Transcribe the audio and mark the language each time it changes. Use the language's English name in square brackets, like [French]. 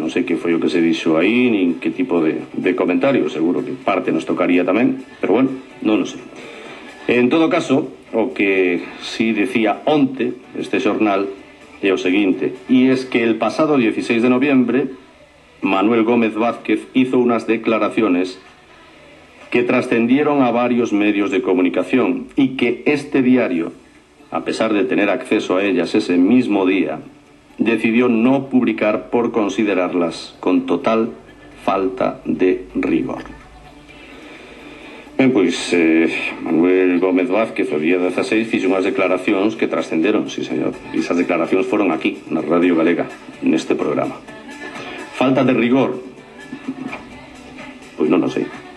[Galician] Non sei que foi o que se dixo aí, nin que tipo de comentario. Seguro que parte nos tocaría tamén, pero bueno, non o sei. En todo caso, o que si decía onte este xornal é o seguinte, [Spanish] e es que el pasado 16 de noviembre Manuel Gómez Vázquez hizo unas declaraciones que trascendieron a varios medios de comunicación y que este diario, a pesar de tener acceso a ellas ese mismo día, decidió no publicar por considerarlas con total falta de rigor. [Galician] Bien, pues Manuel Gómez Vázquez, o día 16, fixo unhas declaracións que trascenderon, [Spanish] sí señor. [Galician] E esas declaracións foron aquí, na Radio Galega, neste programa. Falta de rigor, pois non o sei.